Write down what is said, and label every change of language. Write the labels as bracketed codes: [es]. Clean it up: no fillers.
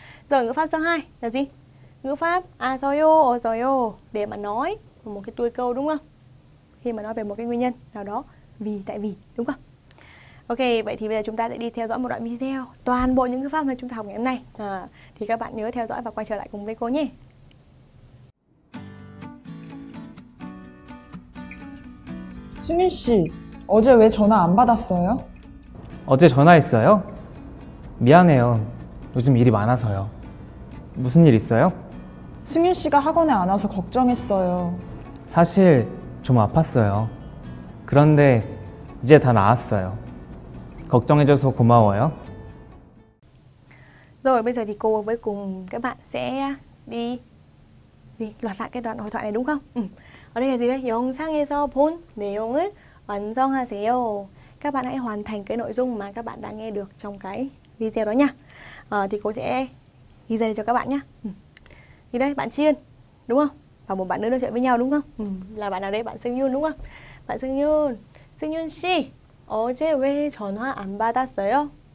[vi] Rồi ngữ pháp số 2 là gì? Ngữ pháp a so yo, o so yo để mà nói một cái tuôi câu đúng không? Khi mà nói về một cái nguyên nhân nào đó, vì, tại vì đúng không? Ok, vậy thì bây giờ chúng ta sẽ đi theo dõi một đoạn video toàn bộ những ngữ pháp mà chúng ta học ngày hôm nay. Thì các bạn nhớ theo dõi và quay trở lại cùng với cô nhé. [ko] 수민 씨, 어제 왜 전화 안 받았어요? 어제 전화했어요? 미안해요. 요즘 일이 많아서요. 무슨 일 있어요? 승윤 씨가 학원에 안 와서 걱정했어요. 사실 좀 아팠어요. 그런데 이제 다 나았어요. 걱정해줘서 고마워요. [vi] Rồi bây giờ thì cô với cùng các bạn sẽ đi gì lặp lại cái đoạn hội thoại này đúng không? Ở đây là gì đây? [ko] 영상에서 본 내용을 완성하세요. [vi] Các bạn hãy hoàn thành cái nội dung mà các bạn đã nghe được trong cái video đó nha. Thì cô sẽ ghi dây cho các bạn nhé. Thì đây, bạn Chiên, đúng không? Và một bạn nữ nói chuyện với nhau đúng không? Là bạn nào đây? Bạn Sưng Yun đúng không? Bạn Sưng Yun, Sưng Yun Xi, [ko] oje we chonhoa an ba ta seo.